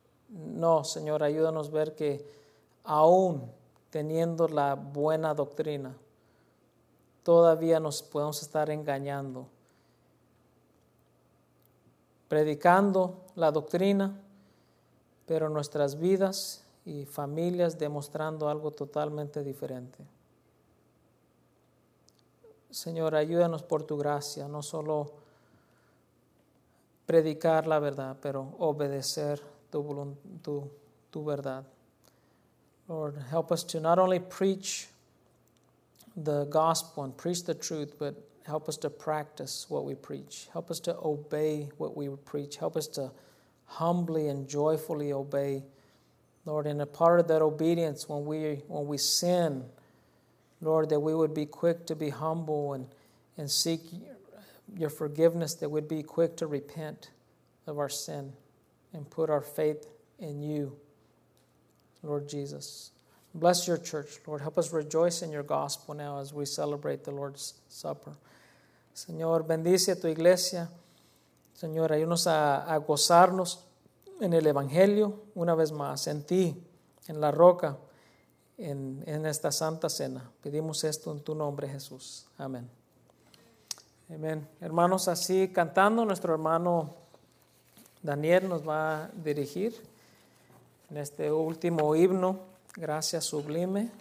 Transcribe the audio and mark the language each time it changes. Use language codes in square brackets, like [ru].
[es] No, Señor, ayúdanos a ver que aún teniendo la buena doctrina, todavía nos podemos estar engañando, predicando la doctrina, pero nuestras vidas y familias demostrando algo totalmente diferente. Señor, ayúdanos por tu gracia, no solo predicar la verdad, pero obedecer tu verdad. [en] Lord, help us to not only preach the gospel and preach the truth, but help us to practice what we preach. Help us to obey what we preach. Help us to humbly and joyfully obey. Lord, in a part of that obedience, when we sin, Lord, that we would be quick to be humble and seek your forgiveness, that we'd be quick to repent of our sin and put our faith in you, Lord Jesus. Bless your church, Lord. Help us rejoice in your gospel now as we celebrate the Lord's Supper. [es] Señor, bendice a tu iglesia. Señor, ayúdanos a gozarnos en el Evangelio una vez más, en ti, en la roca, en esta santa cena. Pedimos esto en tu nombre, Jesús. Amén. Amén. Hermanos, así cantando, nuestro hermano Daniel nos va a dirigir en este último himno, Gracia Sublime.